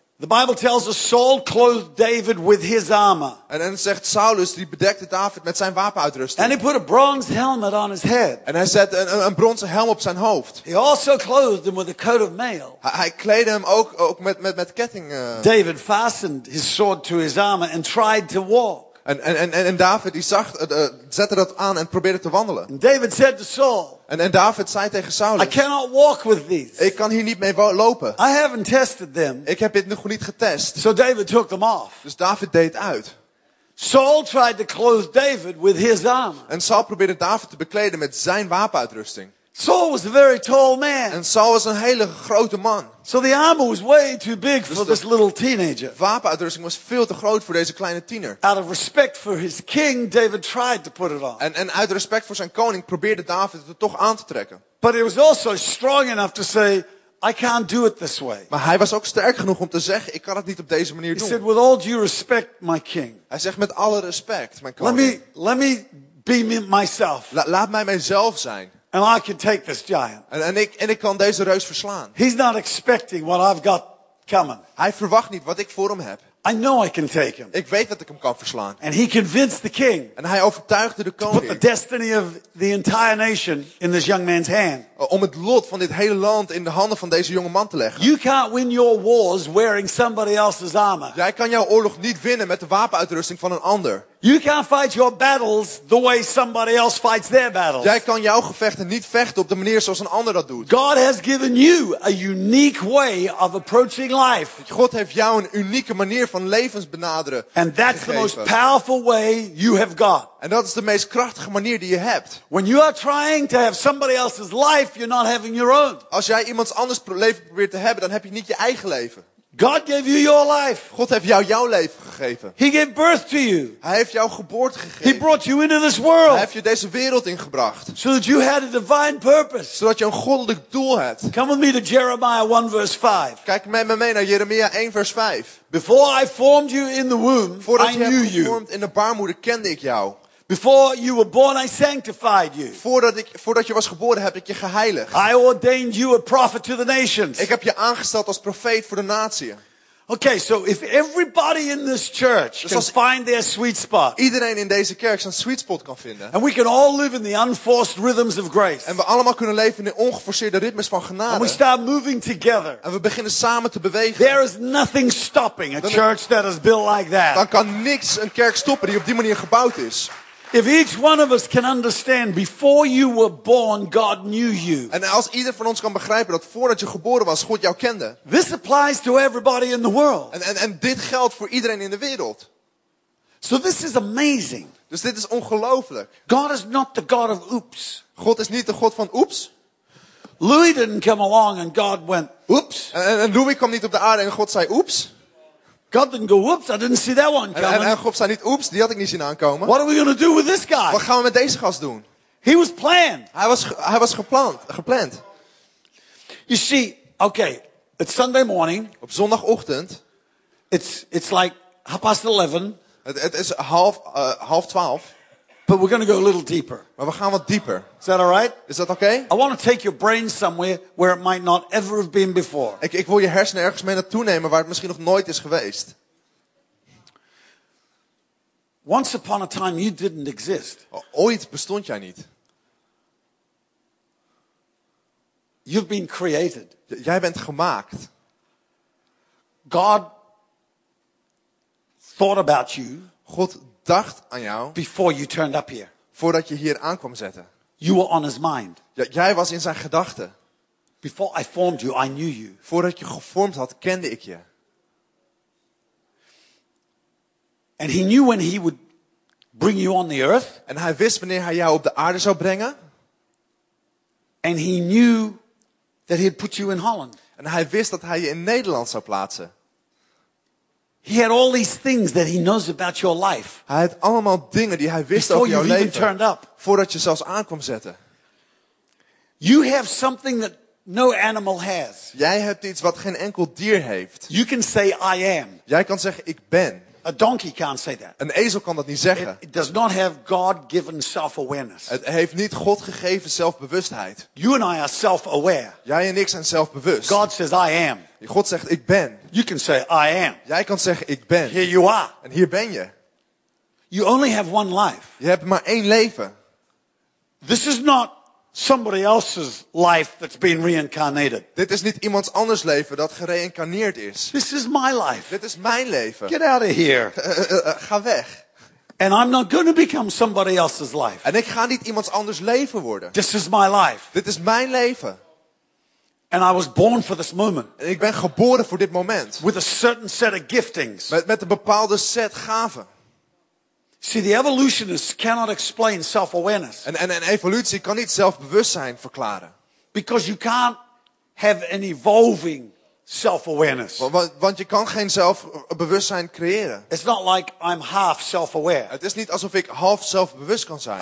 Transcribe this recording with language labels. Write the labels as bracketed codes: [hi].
[en] The Bible tells us Saul clothed David with his armor. [nl] En dan zegt Saulus die bedekte David met zijn wapenuitrusting. [en] And he put a bronze helmet on his head. [nl] En hij zette een bronzen helm op zijn hoofd. [en] He also clothed him with a coat of mail. [nl] Hij kleedde hem ook met ketting. [en] David fastened his sword to his armor and tried to walk. [nl] En David die zag, zette dat aan en probeerde te wandelen. [en] David said to Saul, [nl] en David zei tegen Saul, [en] I cannot walk with these. [nl] Ik kan hier niet mee lopen. [en] I haven't tested them. [nl] Ik heb dit nog niet getest. [en] So David took them off. [nl] Dus David deed uit. [en] Saul tried to clothe David with his armor. [nl] En Saul probeerde David te bekleden met zijn wapenuitrusting. [en] Saul was a very tall man. [nl] En Saul was een hele grote man. [en] So the armor was way too big for this little teenager. [nl] Wapenuitrusting was veel te groot voor deze kleine tiener. [en] Out of respect for his king, David tried to put it on. [nl] En uit respect voor zijn koning probeerde David het er toch aan te trekken. [en] But he was also strong enough to say, I can't do it this way. [nl] Maar hij was ook sterk genoeg om te zeggen, ik kan het niet op deze manier doen. [en] He said, with all due respect, my king. [nl] Hij zegt met alle respect, mijn koning. [en] Let me be myself. [nl] Laat mij mijzelf zijn. [en] And I can take this giant. [nl] En ik kan deze reus verslaan. [en] He's not expecting what I've got coming. [nl] Hij verwacht niet wat ik voor hem heb. [en] I know I can take him. [nl] Ik weet dat ik hem kan verslaan. [en] And he convinced the king. [nl] En hij overtuigde de koning. [en] To put the destiny of the entire nation in this young man's hand. [nl] Om het lot van dit hele land in de handen van deze jonge man te leggen. [en] You can't win your wars wearing somebody else's armor. [nl] Jij kan jouw oorlog niet winnen met de wapenuitrusting van een ander. [en] You can't fight your battles the way somebody else fights their battles. [nl] Jij kan jouw gevechten niet vechten op de manier zoals een ander dat doet. [en] God has given you a unique way of approaching life. [nl] God heeft jou een unieke manier van levens benaderen. [en] And that's [nl] gegeven. [en] The most powerful way you have got. [nl] En dat is de meest krachtige manier die je hebt. [en] When you are trying to have somebody else's life, you're not having your own. [nl] Als jij iemand anders leven probeert te hebben, dan heb je niet je eigen leven. [en] God gave you your life. [nl] God heeft jou jouw leven gegeven. [en] He gave birth to you. [nl] Hij heeft jou geboorte gegeven. [en] He brought you into this world. [nl] Hij heeft je deze wereld ingebracht. [en] So that you had a divine purpose. [nl] Zodat je een goddelijk doel hebt. [en] Come with me to Jeremiah 1 verse 5. [nl] Kijk met me mee naar Jeremia 1 vers 5. [en] Before I formed you in the womb, [nl] voordat [en] I knew you. [nl] Voordat je gevormd [en] you. [nl] In de baarmoeder kende ik jou. [en] Before you were born, I sanctified you. [nl] Voordat je was geboren, heb ik je geheiligd. [en] I ordained you a prophet to the nations. [nl] Ik heb je aangesteld als profeet voor de natieën. [en] Okay, so if everybody in this church can find their sweet spot. [nl] Iedereen in deze kerk zijn sweet spot kan vinden. [en] And we can all live in the unforced rhythms of grace. [nl] En we allemaal kunnen leven in de ongeforceerde ritmes van genade. [en] And we start moving together. [nl] En we beginnen samen te bewegen. [en] There is nothing stopping a church that is built like that. [nl] Dan kan niks een kerk stoppen die op die manier gebouwd is. [en] If each one of us can understand before you were born God knew you. [nl] En als ieder van ons kan begrijpen dat voordat je geboren was God jou kende. [en] This applies to everybody in the world. [nl] En dit geldt voor iedereen in de wereld. [en] So this is amazing. [nl] Dus dit is ongelooflijk. [en] God is not the God of oops. [nl] God is niet de God van oeps. [en] Louis didn't come along and God went oops. [nl] En Louis kwam niet op de aarde en God zei oeps. [en] God didn't go, whoops, I didn't see that one coming. [nl] En God zei niet, oeps, die had ik niet zien aankomen. [en] What are we gonna do with this guy? [nl] Wat gaan we met deze gast doen? [en] He was planned. [nl] Hij was gepland. [en] You see, okay, it's Sunday morning. [nl] Op zondagochtend. [en] It's like half past 11. [nl] Het is half 12. [en] But we're gonna go a little deeper. [nl] Maar we gaan wat dieper. [en] Is that all right? [nl] Is dat okay? [en] I want to take your brain somewhere where it might not ever have been before. [nl] Ik wil je hersenen ergens mee naartoe nemen waar het misschien nog nooit is geweest. [en] Once upon a time you didn't exist. [nl] Ooit bestond jij niet. [en] You've been created. [nl] Jij bent gemaakt. [en] God thought about you. [nl] God dacht aan jou. [en] Before you turned up here. [nl] Voordat je hier aankwam zetten. [en] You were on his mind. [nl] Jij was in zijn gedachten. [en] Before I formed you, I knew you. [nl] Voordat je gevormd had, kende ik je. [en] And he knew when he would bring you on the earth. [nl] En hij wist wanneer hij jou op de aarde zou brengen. [en] And he knew that he'd put you in Holland. [nl] En hij wist dat hij je in Nederland zou plaatsen. [en] He had all these things that he knows about your life. [nl] Hij had allemaal dingen die hij wist over jouw leven. [en] Even turned up. [nl] Voordat je zelfs aankwam zetten. [en] You have something that no animal has. [nl] Jij hebt iets wat geen enkel dier heeft. [en] You can say I am. [nl] Jij kan zeggen ik ben. [en] A donkey can't say that. [nl] Een ezel kan dat niet zeggen. [en] It does not have God-given self-awareness. [nl] Het heeft niet God gegeven zelfbewustheid. [en] You and I are self-aware. [nl] Jij en ik zijn zelfbewust. [en] God says I am. [nl] God zegt ik ben. [en] You can say I am. [nl] Jij kan zeggen ik ben. [en] Here you are. [nl] En hier ben je. [en] You only have one life. [nl] Je hebt maar één leven. [en] This is not somebody else's life that's been reincarnated. [nl] Dit is niet iemand anders leven dat gereïncarneerd is. [en] This is my life. [nl] Dit is mijn leven. [en] Get out of here. [nl] Ga weg. [en] And I'm not going to become somebody else's life. [nl] En ik ga niet iemand anders leven worden. [en] This is my life. [nl] Dit is mijn leven. [en] And I was born for this moment. [nl] En ik ben geboren voor dit moment. [en] With a certain set of giftings. [nl] Met een bepaalde set gaven. [en] See, the evolutionists cannot explain self-awareness. [nl] En evolutie kan niet zelfbewustzijn verklaren. [en] Because you can't have an evolving self-awareness. [nl] Want je kan geen zelfbewustzijn creëren. [en] It's not like I'm half self-aware. [nl] Het is niet alsof ik half zelfbewust kan zijn.